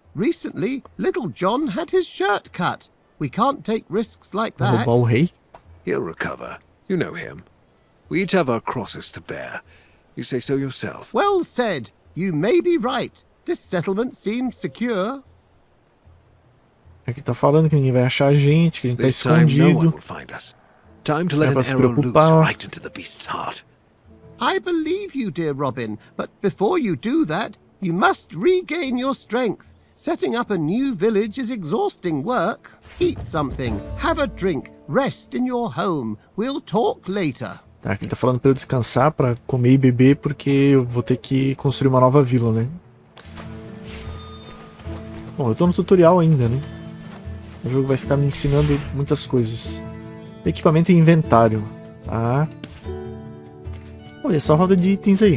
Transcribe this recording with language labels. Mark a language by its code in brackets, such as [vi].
[en] Recently, Little John had his shirt cut. We can't take risks like that. He'll recover. You know him. We each have our crosses to bear. You say so yourself. Well said. You may be right. This settlement seems secure. [pt] Aqui tá falando que ninguém vai achar a gente, que a gente tá escondido. [en] Time to let an arrow loose right into the beast's heart. I believe you, dear Robin, but before you do that, you must regain your strength. Setting up a new village is exhausting work. Eat something, have a drink, rest in your home. We'll talk later. [pt] Tá, ele tá falando pra eu descansar, pra comer e beber, porque eu vou ter que construir uma nova vila, né? Bom, eu tô no tutorial ainda, né? O jogo vai ficar me ensinando muitas coisas. Equipamento e inventário. Ah. Olha, só roda de itens aí.